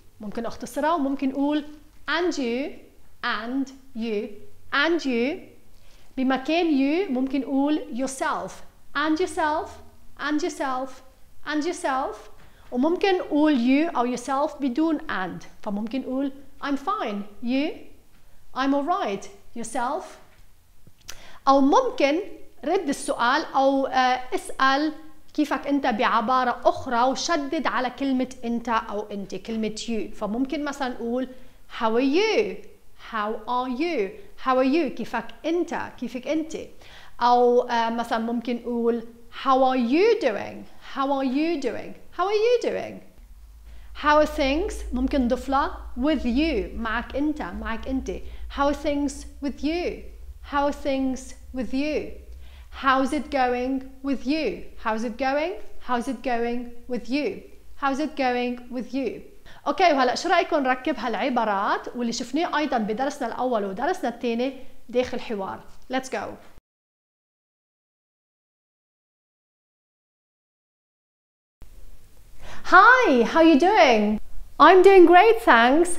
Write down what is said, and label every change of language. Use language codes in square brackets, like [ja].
[ar] ممكن اختصرها وممكن نقول [en] and you and you and you. بمكان you [ar] ممكن قول [en] yourself and yourself and yourself and yourself. [ar] وممكن قول you أو yourself بدون and. فممكن قول [en] I'm fine, you, I'm alright, yourself. [ar] أو ممكن رد السؤال أو اسأل كيفك أنت بعبارة أخرى وشدد على كلمة أنت أو أنت كلمة you. [en] فممكن مثلا قول how are you, how are you, how are you, [ar] كيفك انت كيفك انت. او مثلا ممكن اقول [en] how are you doing, how are you doing, how are you doing. how are things [ar] ممكن ضفله [en] with you [ar] معك انت معك انت. [en] how are things with you, how are things with you. how's it going with you, how's it going, how's it going with you, how's it going with you. [ar] اوكي وهلا شو رايكم نركب هالعبارات واللي شفناه ايضا بدرسنا الاول ودرسنا الثاني داخل حوار. [en] Let's go. Hi how you doing? I'm doing great thanks.